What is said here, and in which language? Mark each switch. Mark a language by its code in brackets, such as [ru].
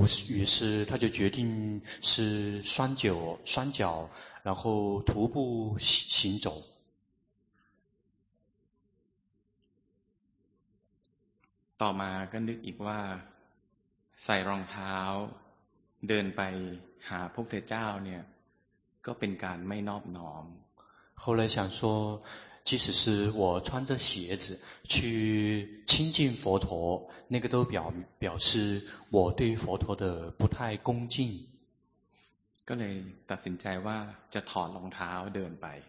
[zh] 于是他就决定是双脚然后徒步行走 [th] ต่อมาก็นึกอีกว่าใส่รองเท้าเดินไปหาพวกเทเจ้าเนี่ยก็เป็นการไม่นอบน้อม [zh] 后来想说即使是我穿着鞋子去亲近佛陀那个都表示我对佛陀的不太恭敬 [th] ก็เลยตัดสินใจว่าจะถอดรองเท้าเดินไป